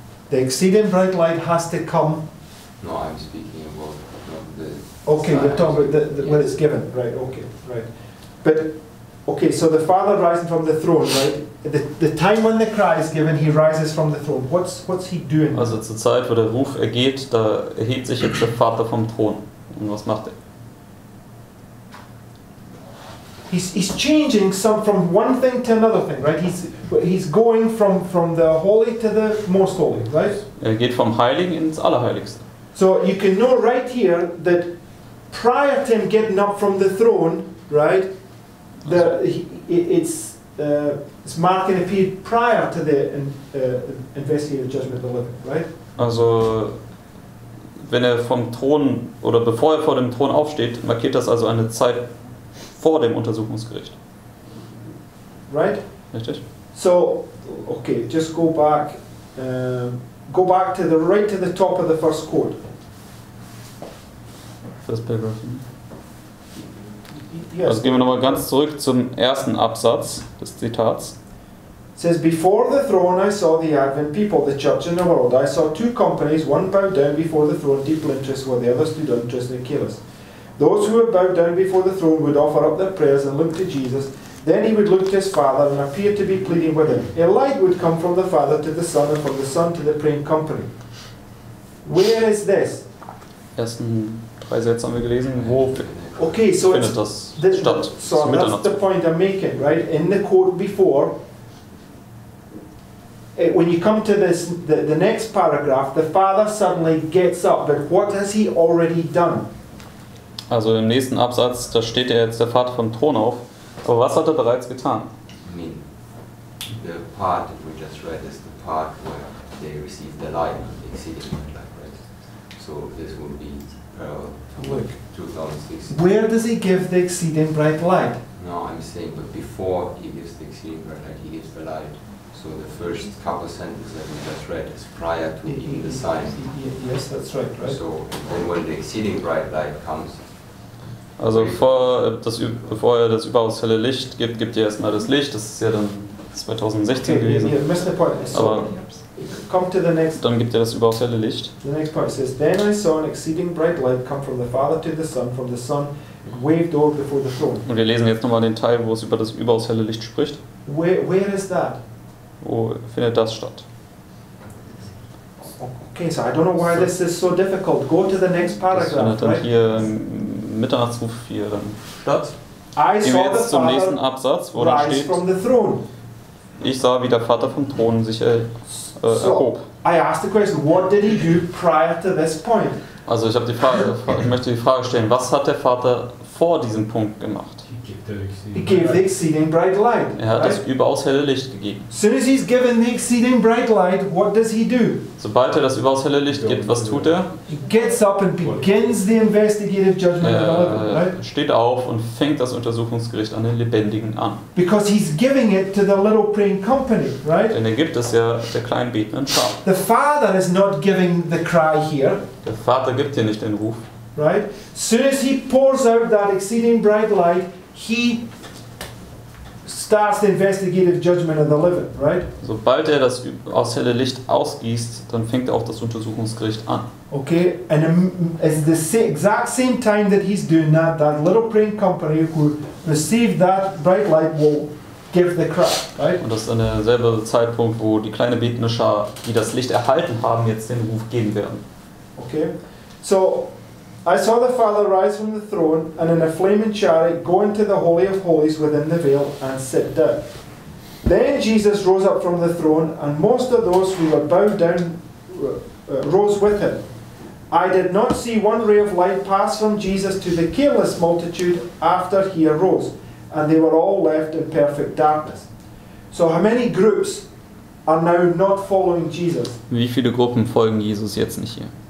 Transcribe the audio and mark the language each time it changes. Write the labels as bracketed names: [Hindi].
[English] The exceeding bright light has to come. No, I'm speaking about the. Okay, you're talking about when it's given, right, okay, right. But, okay, so the father rising from the throne, right? The time when the cry is given, he rises from the throne. What's he doing? [German] Also zur Zeit, wo der Ruf ergeht, da erhebt sich jetzt der Vater vom Thron. Und was macht er? [English] He's changing some from one thing to another thing, right? He's going from the holy to the most holy, right? [German] Er geht vom Heiligen ins Allerheiligste. [English] So you can know right here that prior to him getting up from the throne, right? It's marking a period prior to the investigative judgment of the living, right? [German] Also, wenn er vom Thron oder bevor er vor dem Thron aufsteht, markiert das also eine Zeit vor dem Untersuchungsgericht. [English] Right? [German] Richtig. [English] So, okay, just go back. Go back to the right to the top of the first quote. First paragraph. [German] Also gehen wir nochmal ganz zurück zum ersten Absatz des Zitats. [English] It says, before the throne I saw the advent people, the church and the world. I saw two companies, one bowed down before the throne, deeply interested, while the other stood interested and careless. Those who were bowed down before the throne would offer up their prayers and look to Jesus. Then he would look to his father and appear to be pleading with him. A light would come from the father to the son and from the son to the praying company. Where is this? [German] Ersten drei Sätze haben wir gelesen. Wo? [English] Okay, so it's that's the point I'm making, right? In the quote before, when you come to this, the next paragraph, the father suddenly gets up, but what has he already done? [German] Also im nächsten Absatz, da steht jetzt der Vater vom Thron auf, aber was hat bereits getan? [English] I mean, the part that we just read is the part where they receive the light, exceeding the light, right? So this will be Look, where does he give the exceeding bright light? No, I'm saying, but before he gives the exceeding bright light, he gives the light. So the first couple sentences that we just read is prior to giving the sign. Yes, that's right, right. So then when the exceeding bright light comes. [German] Also bevor er das überaus helle Licht gibt, gibt er erstmal das Licht. Das ist ja dann 2016 gewesen. [English] Yeah, missed the point. Come to the next. [German] Dann gibt er das überaus helle Licht. [English] The next part says, then I saw an exceeding bright light come from the Father to the Son, from the Son waved over before the throne. [German] Und wir lesen jetzt nochmal den Teil, wo es über das überaus helle Licht spricht. Where is that? Wo findet das statt? [English] Okay, so I don't know why this is so difficult. Go to the next paragraph. [German] Das findet dann [English] right? [German] Hier Mitternachtsruf 4 statt. [English] I [German] Gehen [English] saw [German] wir jetzt [English] the [German] zum [English] Father [German] nächsten Absatz, wo dann steht, [English] from the throne. [German] Ich sah, wie der Vater vom Thron sich erhob. [English] I asked the question, what did he do prior to this point? [German] Also ich habe die Frage, ich möchte die Frage stellen, was hat der Vater vor diesem Punkt gemacht? [English] He gave the exceeding bright light. [German] Er hat das überaus helle Licht gegeben. [English] Soon as he's given the exceeding bright light, what does he do? [German] Sobald er das überaus helle Licht gibt, was tut er? [English] He gets up and begins the investigative judgment of the living, right? [German] Steht auf und fängt das Untersuchungsgericht an den Lebendigen an. [English] Because he's giving it to the little praying company, right? [German] Denn er gibt es ja der kleinen betenden Schar. [English] The father is not giving the cry here. [German] Der Vater gibt hier nicht den Ruf. [English] Right? Soon as he pours out that exceeding bright light, he starts the investigative judgment of the living, right? [German] Sobald er das aus helle Licht ausgießt, dann fängt er auch das Untersuchungsgericht an. [English] Okay, and at the exact same time that he's doing that, that little praying company who received that bright light will give the cry, right? [German] Und das ist an derselben Zeitpunkt, wo die kleine betende Schar, die das Licht erhalten haben, jetzt den Ruf geben werden. [English] Okay, so I saw the Father rise from the throne and in a flaming chariot go into the Holy of Holies within the veil and sit down. Then Jesus rose up from the throne, and most of those who were bowed down rose with him. I did not see one ray of light pass from Jesus to the careless multitude after he arose, and they were all left in perfect darkness. So how many groups are now not following Jesus? [German] Wie viele Gruppen folgen Jesus jetzt nicht hier?